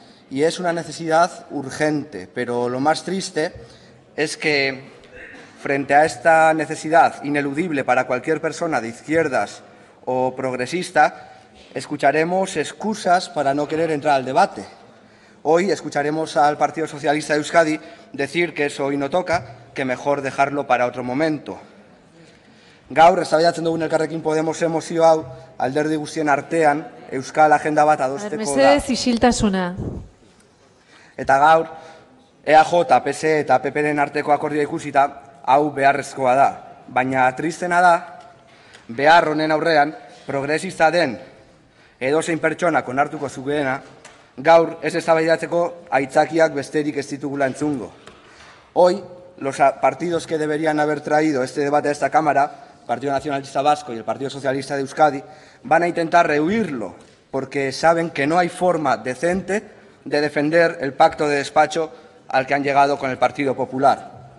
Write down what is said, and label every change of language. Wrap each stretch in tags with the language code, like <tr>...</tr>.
<es>Y es una necesidad urgente, pero lo más triste es que, frente a esta necesidad ineludible para cualquier persona de izquierdas o progresista, escucharemos excusas para no querer entrar al debate. Hoy escucharemos al Partido Socialista de Euskadi decir que eso hoy no toca, que mejor dejarlo para otro momento.</es> <eu>Gaur, eztabaidatzen dugun Elkarrekin Podemosen mozio hau, alderdi guztien artean, Euskal Agenda bat adosteko da. Mesedez, isiltasuna. Eta gaur, EAJ, PSE eta PP-ren arteko akordioa ikusita, hau beharrezkoa da. Baina tristena da, behar honen aurrean, progresista den edozein pertsonak onartuko zukeena, gaur ez eztabaidatzeko aitzakiak besterik ez ditugula entzungo.</eu> <es>Hoy, los partidos que deberían haber traído este debate a esta Cámara, Partido Nacionalista Vasco y el Partido Socialista de Euskadi, van a intentar rehuirlo, porque saben que no hay forma decente de defender el pacto de despacho al que han llegado con el Partido Popular.</es>